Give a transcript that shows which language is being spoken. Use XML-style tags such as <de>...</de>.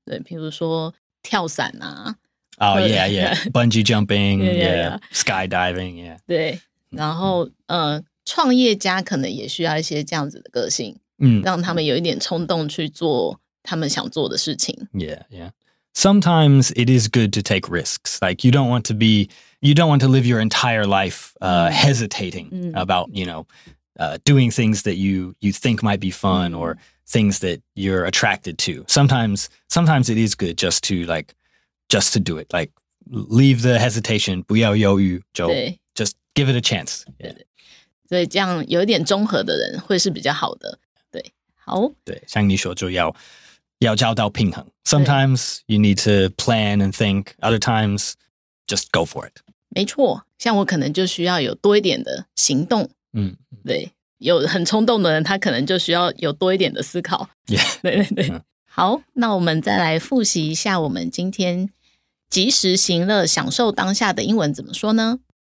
<zh>对，比如说跳伞啊。</zh> <en>哦、oh, yeah, yeah. Bungee jumping, yeah, yeah. Skydiving, yeah.</en> <zh>对。然后创业家可能也需要一些这样子的个性。嗯，让他们有一点冲动去做他们想做的事情。</zh> <en>Yeah, yeah. Sometimes it is good to take risks. Like you don't want to live your entire life hesitating about, you know, doing things that you think might be fun or things that you're attracted to. Sometimes it is good just to do it. Like leave the hesitation,</en> <zh>不要犹豫，就</zh> <en>just give it a chance. Yeah.</en> <zh>对，所以这样有一点综合的人会是比较好的。好，对，像你说就要找到平衡。</zh> <en>Sometimes you need to plan and think, other times just go for it.</en> <zh>没错，像我可能就需要有多一点的行动。嗯，对，有很冲动的人，他可能就需要有多一点的思考。</zh> <en>Yeah.</en> <zh>对对对。好，那我们再来复习一下我们今天及时行乐、享受当下的英文怎么说呢</zh>